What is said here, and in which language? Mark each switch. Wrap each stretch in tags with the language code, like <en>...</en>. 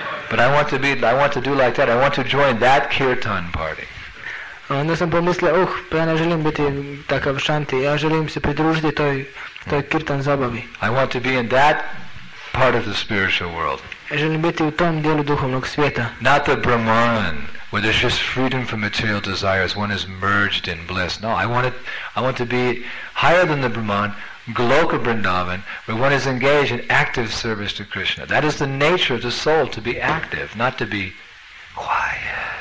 <en>But I want to do like that. I want to join that kirtan party.</en> <hr>Onda sam pomislio, ja ne želim biti takav shanti, ja želim se pridružiti toj kirtan zabavi.</hr> <en>I want to be in that part of the spiritual world.</en> <hr>Ja želim biti u tom dijelu duhovnog svijeta.</hr> <en>Not the Brahman, where there's just freedom from material desires, one is merged in bliss. No, I want to be higher than the Brahman, Goloka Vrindavan, where one is engaged in active service to Krishna. That is the nature of the soul, to be active, not to be quiet.</en>